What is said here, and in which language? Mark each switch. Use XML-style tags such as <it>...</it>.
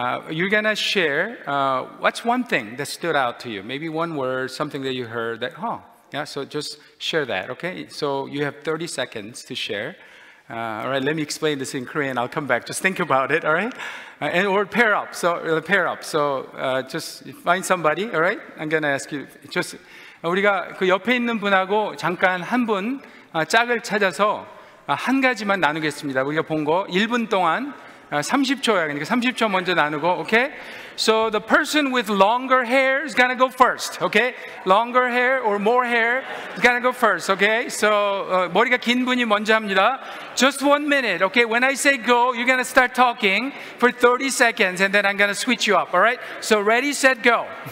<en>You're going to share what's one thing that stood out to you, maybe one word, something that you heard that, oh, yeah, so just share that, okay? So you have 30 seconds to share. All right, let me explain this in Korean. I'll come back. Just think about it, all right? Pair up. So just find somebody, all right? I'm going to ask you, just</en> <ko>우리가 그 옆에 있는 분하고 잠깐 한 분 짝을 찾아서 한 가지만 나누겠습니다. 우리가 본 거 1분 동안 30초야. 그러니까 30초 먼저 나누고, okay?</ko> <en>So the person with longer hair is gonna go first, okay? Longer hair or more hair is gonna go first, okay?</en> <ko>So 머리가 긴 분이 먼저 합니다.</ko> <en>Just 1 minute, okay? When I say go, you're gonna start talking for 30 seconds and then I'm gonna switch you up, alright? So ready, set, go.</en>